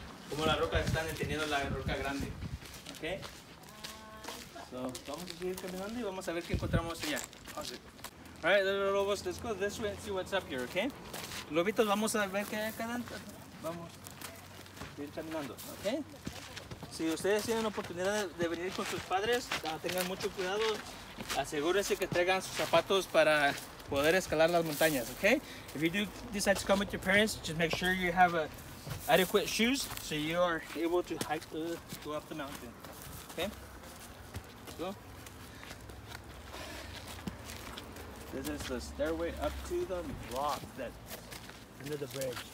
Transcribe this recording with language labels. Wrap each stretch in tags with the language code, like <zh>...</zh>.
<es>Como la roca están teniendo la roca grande, okay? So vamos a seguir caminando y vamos a ver qué encontramos allá.</es> <en>All right, little lobos, let's go this way and see what's up here, okay?</en> <es>Lobitos, vamos a ver qué hay acá adentro. Vamos a seguir caminando, okay? Si ustedes tienen la oportunidad de venir con sus padres, tengan mucho cuidado, asegúrense que traigan sus zapatos para poder escalar las montañas, okay?</es> <en>If you do decide to come with your parents, just make sure you have a adequate shoes so you are able to hike the go up the mountain. Okay, let's go. This is the stairway up to the rock that's under the bridge.</en>